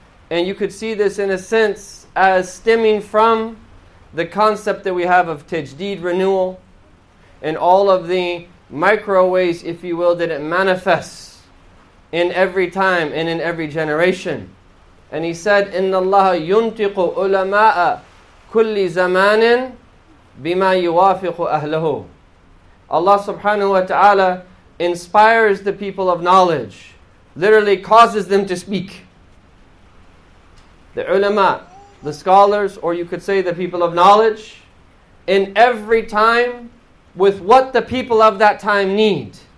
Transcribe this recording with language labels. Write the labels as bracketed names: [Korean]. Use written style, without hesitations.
[English] And you could see this in a sense as stemming from the concept that we have of tajdeed renewal and all of the micro ways, if you will, that it manifests in every time and in every generation. [Arabic] And he said, إِنَّ اللَّهَ يُنْتِقُ أُلَمَاءَ كُلِّ زَمَانٍ بِمَا يُوَافِقُ أَهْلَهُ. [English] Allah subhanahu wa ta'ala inspires the people of knowledge, literally causes them to speak. The ulama, the scholars, or you could say the people of knowledge, in every time with what the people of that time need.